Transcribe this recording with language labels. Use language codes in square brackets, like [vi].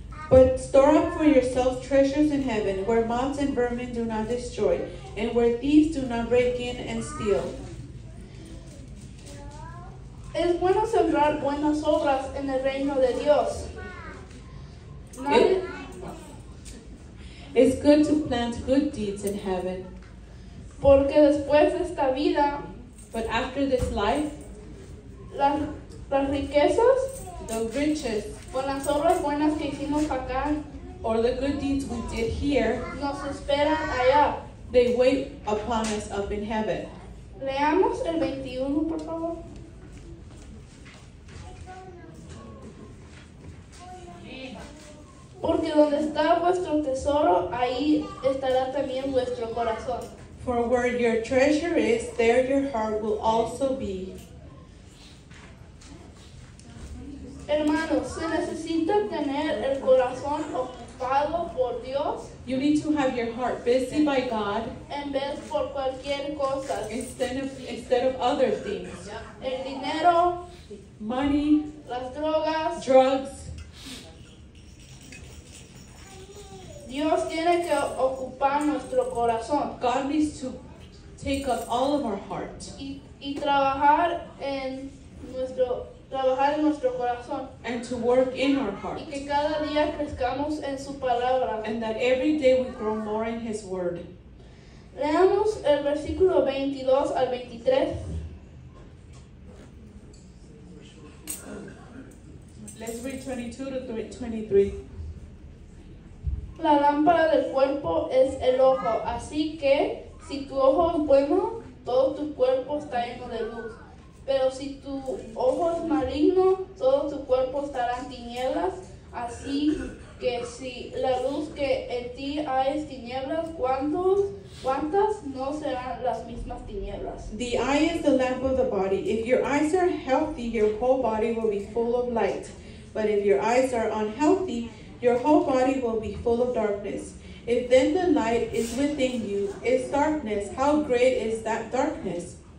[en] But store up for yourself treasures in heaven, where moths and vermin do not destroy, and where thieves do not break in and steal. [es] Es bueno sembrar buenas obras en el reino de Dios. [en] It's good to plant good deeds in heaven. [es] Porque después de esta vida, [en] but after this life, [es] las riquezas, [en] the riches, [es] con las obras buenas que hicimos acá, [en] or the good deeds we did here, [es] nos esperan allá. [en] They wait upon us up in heaven. [es] Leamos el 21, por favor. Porque donde está vuestro tesoro, ahí estará también vuestro corazón. [en] For where your treasure is, there your heart will also be. [es] Hermanos, se necesita tener el corazón ocupado por Dios. [en] You need to have your heart busy by God. [es] En vez por cualquier cosa. [en] Instead of other things. Yeah. [es] El dinero. [en] Money. [es] Las drogas. [en] Drugs. [es] Dios tiene que ocupar nuestro corazón. [en] God needs to take up all of our heart. [es] Y trabajar en nuestro corazón. [en] And to work in our heart. [es] Y que cada día crezcamos en su palabra. [en] And that every day we grow more in his word. [es] Leamos el versículo 22 al 23. [en] Let's read 22 to 23. [es] La lámpara del cuerpo es el ojo, así que si tu ojo es bueno, todo tu cuerpo está lleno de luz. Pero si tu ojo es maligno, todo tu cuerpo estará en tinieblas. Así que si la luz que en ti hay es tinieblas, ¿cuántas no serán las mismas tinieblas? [en] The eye is the lamp of the body. If your eyes are healthy, your whole body will be full of light. But if your eyes are unhealthy, your whole body will be full of darkness. If then the light is within you, it's darkness. How great is that darkness?